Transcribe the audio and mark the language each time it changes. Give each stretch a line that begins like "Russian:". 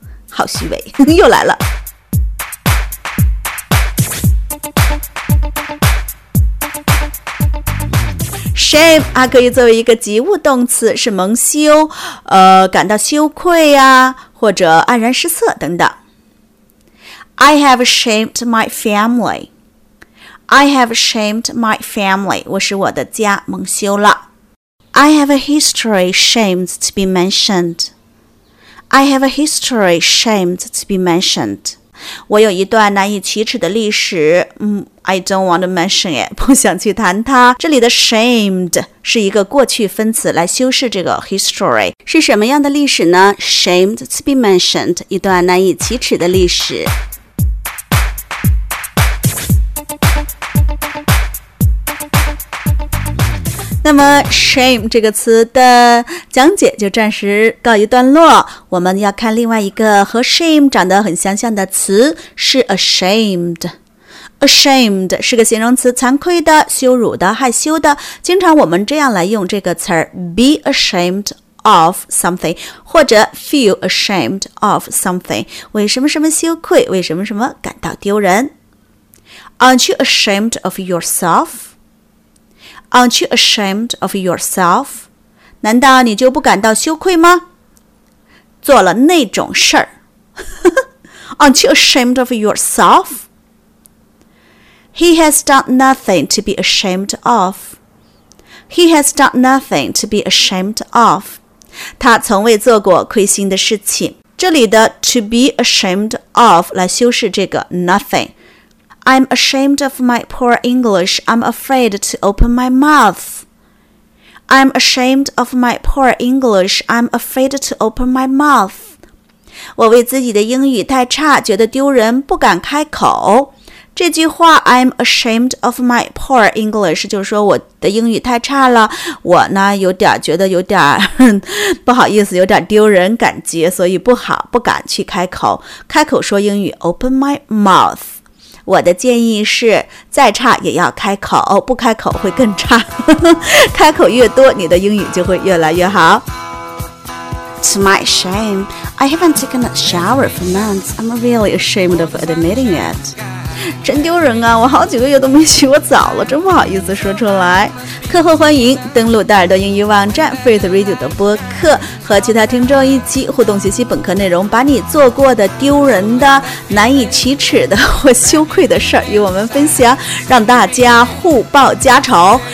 Chinese: 好虚伪，又来了。 Shame 啊，可以作为一个及物动词，是蒙羞，感到羞愧啊，或者黯然失色等等。
English: I have shamed my familyI have shamed my family.
Chinese: 我使我的家蒙羞了。
English: I have a history shamed to be mentioned. I have a history shamed to be mentioned.
Chinese: 我有一段难以启齿的历史。
English: I don't want to mention it.
Chinese: 不想去谈它。这里的 shamed 是一个过去分词来修饰这个 history。是什么样的历史呢？ Shamed to be mentioned. 一段难以启齿的历史。那么 shame 这个词的讲解就暂时告一段落，我们要看另外一个和 shame 长得很相像的词，是 ashamed。 ashamed 是个形容词，惭愧的、羞辱的、害羞的，经常我们这样来用这个词 be ashamed of something 或者 feel ashamed of something，为什么什么羞愧，为什么什么感到丢人。
English: Aren't you ashamed of yourselfAren't you ashamed of yourself?
Chinese: 难道你就不感到羞愧吗？做了那种事儿。
English: Aren't you ashamed of yourself? He has done nothing to be ashamed of. He has done nothing to be ashamed of.
Chinese: 他从未做过亏心的事情。这里的 to be ashamed of 来修饰这个 nothing。
English: I'm ashamed of my poor English. I'm afraid to open my mouth. I'm ashamed of my poor English. I'm afraid to open my mouth.
Chinese: 我为自己的英语太差，觉得丢人，不敢开口。这句话 I'm ashamed of my poor English 就是说我的英语太差了，我呢有点觉得有点不好意思，有点丢人感觉，所以不好，不敢去开口，开口说英语 open my mouth。我的建议是，再差也要开口，不开口会更差。开口越多，你的英语就会越来越好。
English: To my shame, I haven't taken a shower for months. I'm really ashamed of admitting it.
Chinese: 真丢人啊，我好几个月都没洗过澡了，真不好意思说出来。课后欢迎登录戴耳朵英语网站 Faith Radio 的播客，和其他听众一起互动学习本科内容，把你做过的丢人的、难以启齿的或羞愧的事与我们分享，让大家互报家仇。